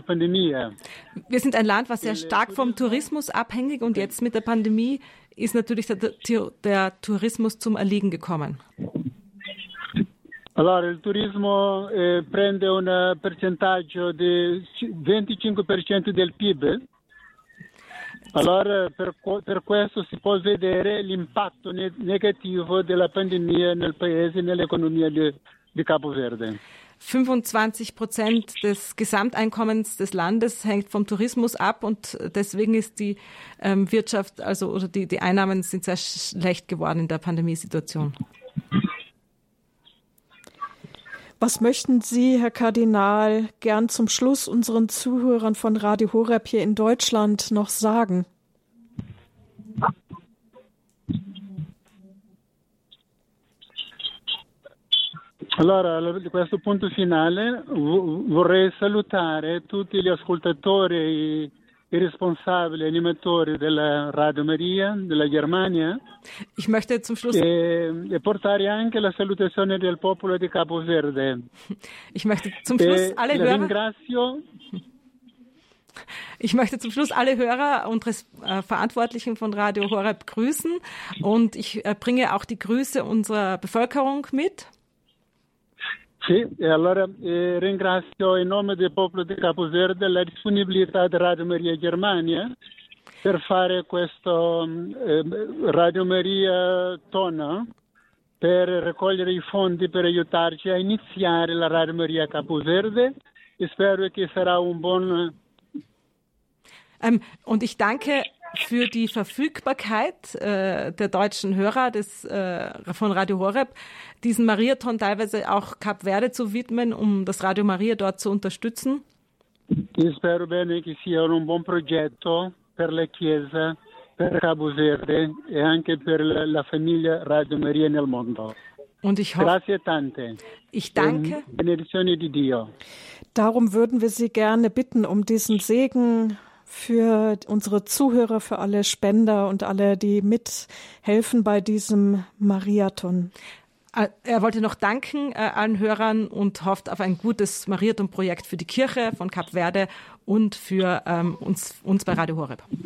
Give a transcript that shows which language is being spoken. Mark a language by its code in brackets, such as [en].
[de] Wir sind ein Land, was sehr stark vom Tourismus abhängig ist, und jetzt mit der Pandemie ist natürlich der Tourismus zum Erliegen gekommen. [it] Allora, il turismo prende un percentaggio di 25% del PIB. Allora, per questo si può vedere l'impatto negativo della pandemia nel paese e nell'economia di Capo Verde. [de] 25% des Gesamteinkommens des Landes hängt vom Tourismus ab und deswegen ist die Wirtschaft, also oder die Einnahmen sind sehr schlecht geworden in der Pandemiesituation. Was möchten Sie, Herr Kardinal, gern zum Schluss unseren Zuhörern von Radio Horeb hier in Deutschland noch sagen? [it] Allora, a questo punto finale vorrei salutare tutti gli ascoltatori, i responsabili, animatori della Radio Maria, della Germania. [de] Ich möchte zum Schluss [it] e portare anche la salutazione del popolo di Capo Verde. [de] Ich möchte zum Schluss alle Hörer. [it] Ringrazio. [de] Ich möchte zum Schluss alle Hörer und Verantwortlichen von Radio Horeb grüßen und ich bringe auch die Grüße unserer Bevölkerung mit. [it] Sì, e allora ringrazio in nome del popolo di Capo Verde la disponibilità di Radio Maria Germania per fare questo Radio Maria Tona, per raccogliere i fondi per aiutarci a iniziare la Radio Maria Capoverde. E spero che sarà un buon... [de] Und ich danke für die Verfügbarkeit der deutschen Hörer des, von Radio Horeb, diesen Mariathon teilweise auch Kap Verde zu widmen, um das Radio Maria dort zu unterstützen. Ich [it] spero bene che sia un buon progetto per la Chiesa, per Capo Verde e anche per la famiglia Radio Maria nel mondo. [de] Und ich hoffe, [it] grazie tante. [de] Ich danke. [it] Benedizione di Dio. [de] Darum würden wir Sie gerne bitten, um diesen Segen für unsere Zuhörer, für alle Spender und alle, die mithelfen bei diesem Mariathon. Er wollte noch danken allen Hörern und hofft auf ein gutes Mariathon-Projekt für die Kirche von Kap Verde und für uns bei Radio Horeb.